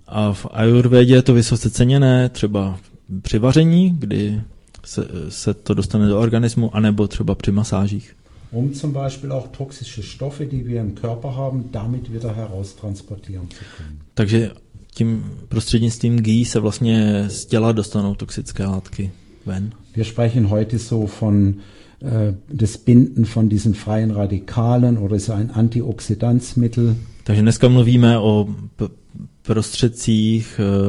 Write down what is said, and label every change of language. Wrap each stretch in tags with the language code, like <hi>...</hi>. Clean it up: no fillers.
<cs>A v Ayurvedě je to vysoce ceněné, třeba při vaření, kdy se to dostane do organismu, anebo třeba při masážích.</cs> <de>Um zum Beispiel auch toxische Stoffe, die wir im Körper haben, damit wieder heraustransportieren zu können.</de> <cs>Takže tím prostřednictvím ghee se vlastně z těla dostanou toxické látky ven.</cs> <de>Wir sprechen heute so von das Binden von diesen freien Radikalen oder so ein Antioxidanzmittel.</de> <cs>Takže dneska mluvíme o prostředcích</cs>